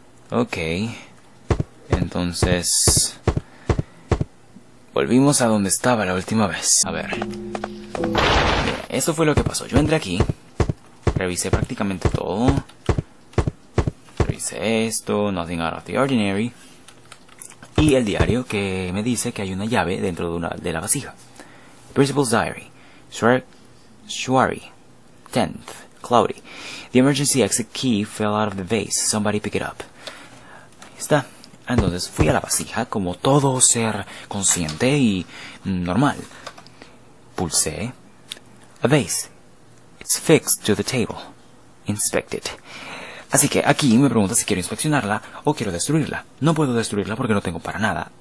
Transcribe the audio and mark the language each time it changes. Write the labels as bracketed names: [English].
[Spanish] Ok, entonces, volvimos a donde estaba la última vez. A ver, eso fue lo que pasó. Yo entré aquí, revisé prácticamente todo. Revisé esto, [English] nothing out of the ordinary. [Spanish] Y el diario que me dice que hay una llave dentro de la vasija. [English] Principal's diary, Shuari, 10th, cloudy. The emergency exit key fell out of the vase, somebody pick it up. [Spanish] Está. Entonces fui a la vasija como todo ser consciente y normal. Pulsé. [English] A vase. It's fixed to the table. Inspect it. [Spanish] Así que aquí me pregunta si quiero inspeccionarla o quiero destruirla. No puedo destruirla porque no tengo para nada.